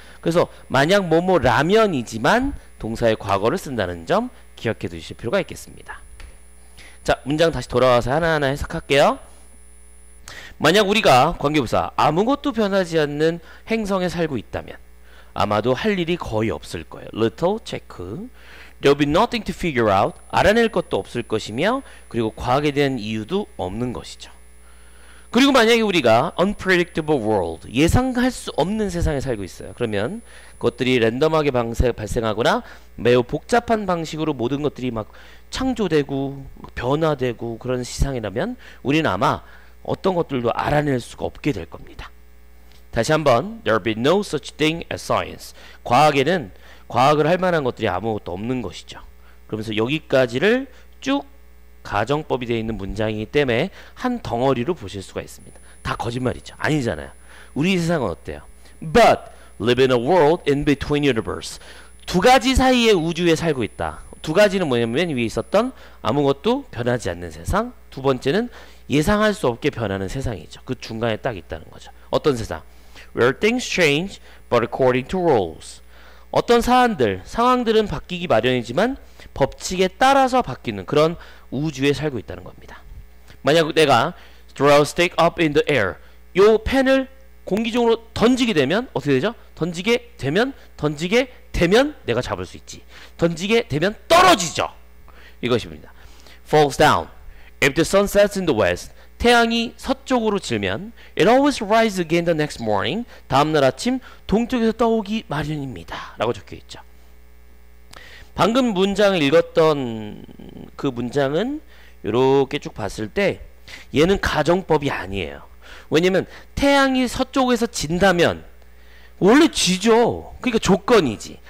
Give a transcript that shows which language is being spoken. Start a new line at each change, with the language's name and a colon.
Korean: 그래서 만약 뭐뭐라면이지만 동사의 과거를 쓴다는 점 기억해 두실 필요가 있겠습니다. 자, 문장 다시 돌아와서 하나하나 해석할게요. 만약 우리가 관계부사 아무것도 변하지 않는 행성에 살고 있다면 아마도 할 일이 거의 없을 거예요.
English: Little check. There will be nothing to figure out.
Korean: 알아낼 것도 없을 것이며, 그리고 과학에 대한 이유도 없는 것이죠. 그리고 만약에 우리가
English: unpredictable world,
Korean: 예상할 수 없는 세상에 살고 있어요. 그러면 그것들이 랜덤하게 발생하거나 매우 복잡한 방식으로 모든 것들이 막 창조되고 변화되고 그런 세상이라면 우리는 아마 어떤 것들도 알아낼 수가 없게 될 겁니다. 다시 한번,
English: There will be no such thing as science.
Korean: 과학에는 과학을 할 만한 것들이 아무것도 없는 것이죠. 그러면서 여기까지를 쭉 가정법이 되어 있는 문장이기 때문에 한 덩어리로 보실 수가 있습니다. 다 거짓말이죠. 아니잖아요. 우리 세상은 어때요?
English: But live in a world in between universe.
Korean: 두 가지 사이의 우주에 살고 있다. 두 가지는 뭐냐면 위에 있었던 아무것도 변하지 않는 세상, 두 번째는 예상할 수 없게 변하는 세상이죠. 그 중간에 딱 있다는 거죠. 어떤 세상?
English: Where things change but according to rules.
Korean: 어떤 사안들, 상황들은 바뀌기 마련이지만 법칙에 따라서 바뀌는 그런 우주에 살고 있다는 겁니다. 만약 내가
English: throw a stick up in the air,
Korean: 요 펜을 공기중으로 던지게 되면 어떻게 되죠? 던지게 되면 내가 잡을 수 있지. 던지게 되면 떨어지죠. 이것입니다.
English: Falls down. If the sun sets in the west,
Korean: 태양이 서쪽으로 질면
English: It always rises again the next morning.
Korean: 다음날 아침 동쪽에서 떠오기 마련입니다. 라고 적혀있죠. 방금 문장을 읽었던 그 문장은 이렇게 쭉 봤을 때 얘는 가정법이 아니에요. 왜냐면 태양이 서쪽에서 진다면 원래 지죠. 그러니까 조건이지.